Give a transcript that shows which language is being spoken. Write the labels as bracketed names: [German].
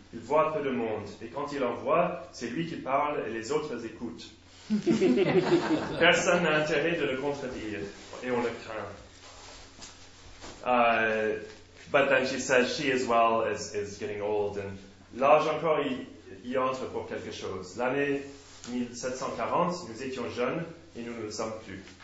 [French] Il voit peu de monde, et quand il en voit, c'est lui qui parle et les autres écoutent. Personne n'a intérêt de le contredire, et on le craint. [English] But then she says she as well is getting old. [French] And l'âge encore y entre pour quelque chose. L'année 1740, nous étions jeunes et nous ne le sommes plus.